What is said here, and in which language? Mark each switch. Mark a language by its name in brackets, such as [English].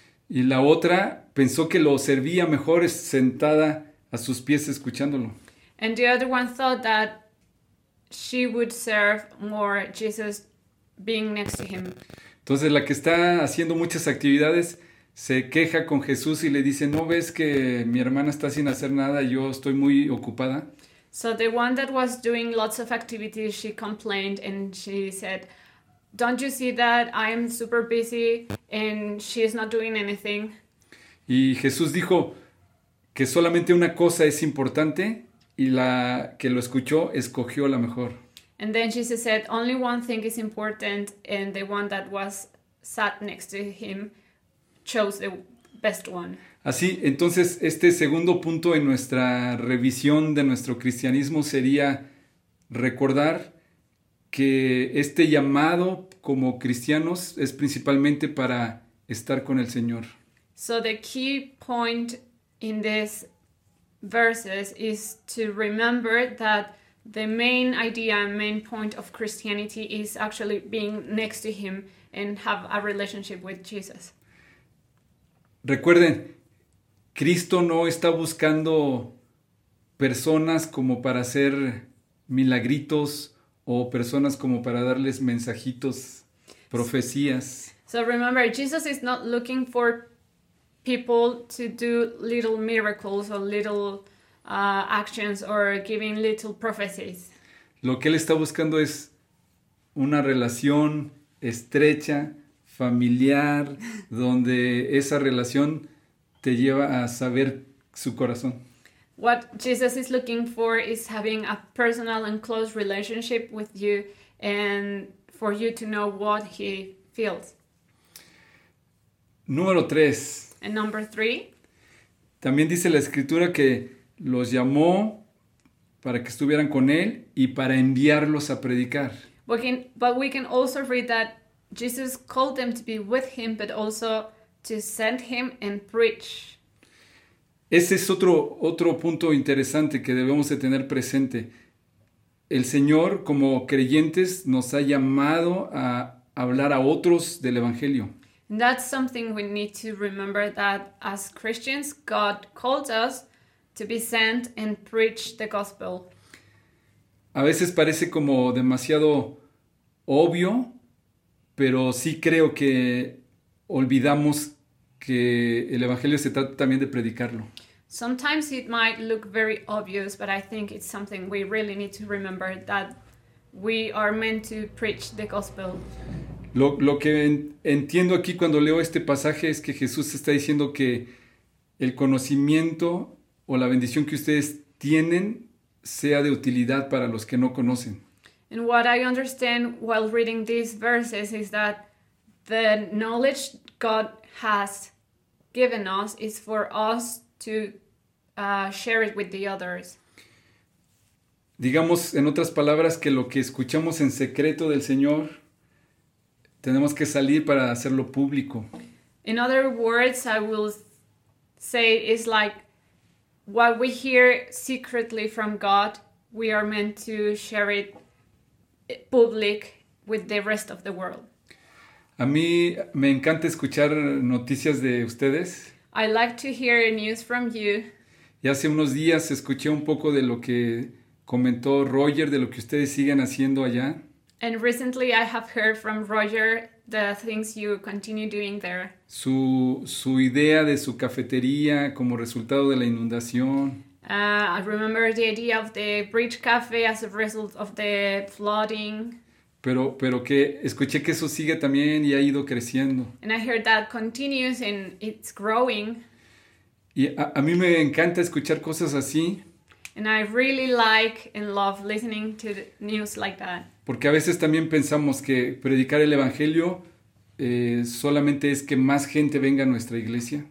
[Spanish] Y la otra pensó que lo servía mejor sentada a sus pies escuchándolo. [English] And the other one thought that she would serve more Jesus being next to him. [Spanish] Entonces la que está haciendo muchas actividades se queja con Jesús y le dice, ¿no ves que mi hermana está sin hacer nada? Yo estoy muy ocupada. [English] So the one that was doing lots of activities, she complained and she said, don't you see that I am super busy and she is not doing anything? [Spanish] Y Jesús dijo que solamente una cosa es importante y la que lo escuchó escogió la mejor. [English] And then Jesus said, only one thing is important and the one that was sat next to him chose the best one. [Spanish] Así, entonces este segundo punto en nuestra revisión de nuestro cristianismo sería recordar que este llamado como cristianos es principalmente para estar con el Señor. [English] So the key point in these verses is to remember that the main idea, main point of Christianity is actually being next to him and have a relationship with Jesus. [Spanish] Recuerden, Cristo no está buscando personas como para hacer milagritos o personas como para darles mensajitos, profecías. [English] So remember, Jesus is not looking for people to do little miracles or little actions or giving little prophecies. [Spanish] Lo que él está buscando es una relación estrecha, familiar, donde esa relación te lleva a saber su corazón. [English] What Jesus is looking for is having a personal and close relationship with you and for you to know what he feels. [Spanish] Número 3. [English] And number 3. [Spanish] También dice la escritura que los llamó para que estuvieran con él y para enviarlos a predicar. [English] But we can also read that Jesus called them to be with him, but also to send him and preach. [Spanish] Ese es otro punto interesante que debemos de tener presente. El Señor, como creyentes, nos ha llamado a hablar a otros del Evangelio. [English] And that's something we need to remember, that as Christians, God called us to be sent and preach the gospel. [Spanish] A veces parece como demasiado obvio, pero sí creo que olvidamos que el Evangelio se trata también de predicarlo. [English] Sometimes it might look very obvious, but I think it's something we really need to remember, that we are meant to preach the gospel. [Spanish] Lo que entiendo aquí cuando leo este pasaje es que Jesús está diciendo que el conocimiento o la bendición que ustedes tienen sea de utilidad para los que no conocen. [English] And what I understand while reading these verses is that the knowledge God has given us is for us to share it with the others. [Spanish] Digamos, en otras palabras, que lo que escuchamos en secreto del Señor, tenemos que salir para hacerlo público. [English] In other words, I will say it's like what we hear secretly from God, we are meant to share it public with the rest of the world. [Spanish] A mí me encanta escuchar noticias de ustedes. [English] I like to hear news from you. [Spanish] Y hace unos días escuché un poco de lo que comentó Roger, de lo que ustedes siguen haciendo allá. [English] And recently I have heard from Roger the things you continue doing there. [Spanish] Su idea de su cafetería como resultado de la inundación. [English] I remember the idea of the bridge cafe as a result of the flooding. [Spanish] Pero que escuché que eso sigue también y ha ido creciendo. [English] And I heard that continues and it's growing. [Spanish] Y a mí me encanta escuchar cosas así. [English] And I really like and love listening to the news like that. [Spanish] Porque a veces también pensamos que predicar el evangelio solamente es que más gente venga a nuestra iglesia.